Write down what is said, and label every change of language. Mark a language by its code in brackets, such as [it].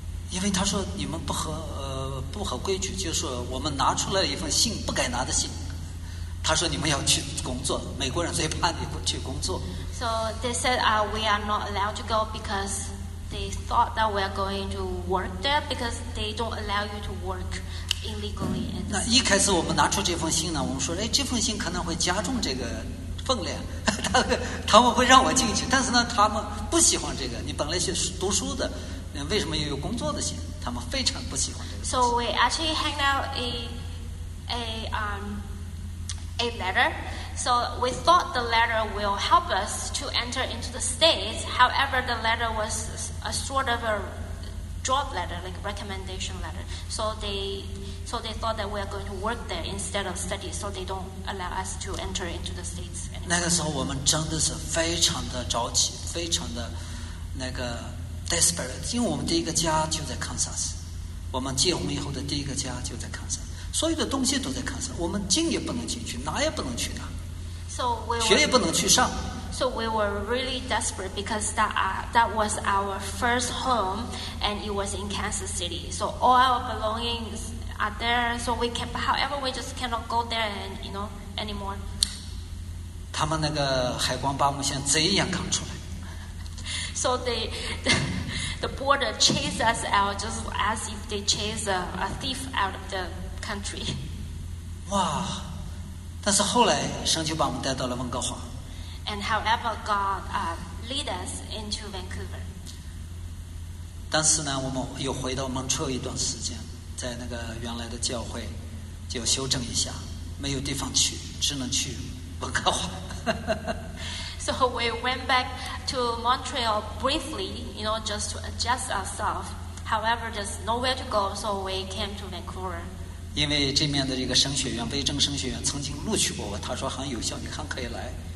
[zh] 因为他说你们不合规矩，就是我们拿出了一份信，不该拿的信。他说你们要去工作，美国人最怕你去工作。 [en] So they said, we are not allowed to go because they thought that we are going to work there because they don't allow you to work illegally. [zh] 那一开始我们拿出这封信呢，我们说，哎，这封信可能会加重这个分量，他们会让我进去，但是呢，他们不喜欢这个。你本来是读书的，为什么又有工作的信？他们非常不喜欢这个。 [en] So we actually hang out a letter. So we thought the letter will help us to enter into the States. However, the letter was a sort of a job letter, like a recommendation letter. So they thought that we are going to work there instead of study. So they don't allow us to enter into the States anymore. [zh] 那个时候我们真的是非常的着急，非常的那个 desperate， 因为我们第一个家就在 Kansas， 我们结婚以后的第一个家就在 Kansas。所有的东西都在看上，我们进也不能进去，拿也不能去拿， [en] so、we were, [zh] 学也不能去上。 [en] So we were really desperate because that was our first home and it was in Kansas City. So all our belongings are there. So we can, however, we just cannot go there and you know anymore. [zh] 他们那个海关把我们像贼一样扛出来。 [en] So the border chased us out just as if they chase a thief out of the country. 哇！ [zh] 但是后来神就把我们带到了温哥华。 [en] And however God lead us into Vancouver. [zh] 但是呢，我们又回到蒙特利尔一段时间，在那个原来的教会就修正一下，没有地方去，只能去温哥华。 [en] So we went back to Montreal briefly, you know, just to adjust ourselves. However, there's nowhere to go, so we came to Vancouver. [zh] 因为这面的这个神学院，卑正神学院曾经录取过我，他说很有效，你看可以来。